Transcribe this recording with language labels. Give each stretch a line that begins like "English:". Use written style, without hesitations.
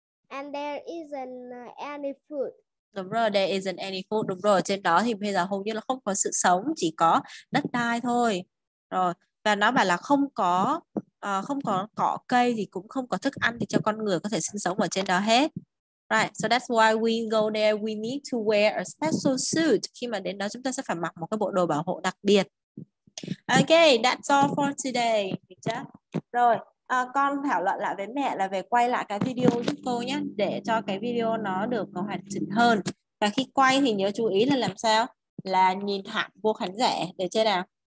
English: And there isn't any food.
Vietnamese: Đúng rồi,
English: there isn't any food.
Vietnamese: Đúng rồi, trên đó thì bây giờ hầu như là không có sự sống, chỉ có đất đai thôi. Rồi, và nó bảo là không có cỏ cây thì cũng không có thức ăn thì cho con người có thể sinh sống ở trên đó hết.
English: Right, so that's why we go there, we need to wear a special suit.
Vietnamese: Khi mà đến đó chúng ta sẽ phải mặc một cái bộ đồ bảo hộ đặc biệt.
English: Okay, that's all for today.
Vietnamese: Rồi. Con thảo luận lại với mẹ là về quay lại cái video giúp cô nhé, để cho cái video nó được hoàn chỉnh hơn. Và khi quay thì nhớ chú ý là làm sao? Là nhìn thẳng vô khán giả, được chưa nào?